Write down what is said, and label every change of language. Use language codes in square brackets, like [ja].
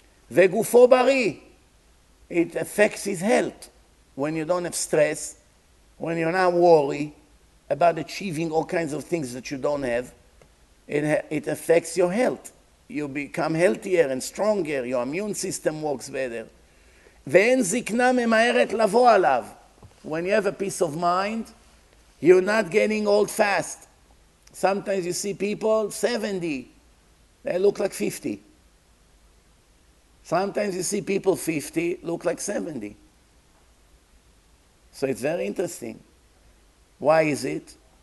[he] וגופו בריא, [en] it affects his health. When you don't have stress, when you're not worried about achieving all kinds of things that you don't have, it affects your health. You become healthier and stronger, your immune system works better. [he] ואין זקנה ממהרת לבוא עליו. [en] When you have a peace of mind, you're not getting old fast. Sometimes you see people 70, they look like 50. Sometimes you see people 50 look like 70. So it's very interesting. Why is it?